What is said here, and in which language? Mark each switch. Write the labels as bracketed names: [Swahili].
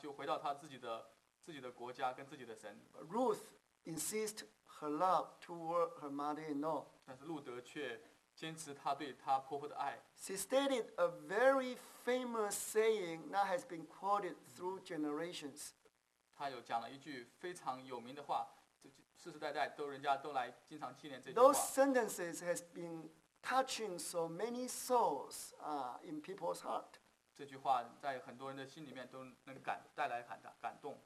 [Chinese] 所以这个俄尔巴就是她的第一个儿媳妇，她就回到她自己的国家跟自己的神。 [English] Ruth insists her love toward her mother-in-law. [Chinese] 但是路德却坚持她对她婆婆的爱。 [English] She stated a very famous saying that has been quoted through generations. [Chinese] 她有讲了一句非常有名的话。 [English] Those sentences has been touching so many souls in people's heart. [Chinese] 这句话在很多人的心里面都能带来感动。